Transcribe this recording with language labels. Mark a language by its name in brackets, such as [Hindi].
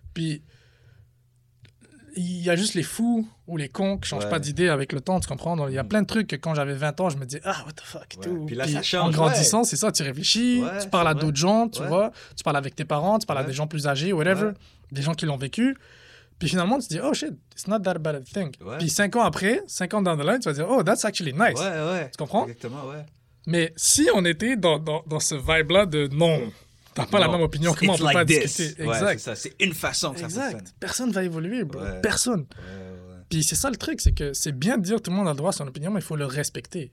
[French] Puis il y a juste les fous ou les cons qui ne changent ouais. pas d'idée avec le temps, tu comprends? Il y a plein de trucs que quand j'avais 20 ans, je me dis ah, what the fuck, ouais. tout. Puis là, ça change. En grandissant, ouais. c'est ça, tu réfléchis, ouais, tu parles à vrai. D'autres gens, tu ouais. vois. Tu parles avec tes parents, tu parles ouais. à des gens plus âgés, whatever, ouais. des gens qui l'ont vécu. [English] Puis finalement, tu te dis, oh shit, it's not that bad a thing. [French] Ouais. Puis 5 ans après, 5 ans down the line, tu vas dire, oh, that's actually nice. Ouais, ouais. Tu comprends? Exactement, ouais. Mais si on était dans ce vibe-là de non, t'as pas non. la même opinion que moi, on peut [English] like [French] pas [English] this. [French] Discuter. Exact. Ouais, c'est une façon que exact. Ça fonctionne. Personne va évoluer, bro. Ouais. Personne. Ouais, ouais. Puis c'est ça le truc, c'est que c'est bien de dire tout le monde a le droit à son opinion, mais il faut le respecter,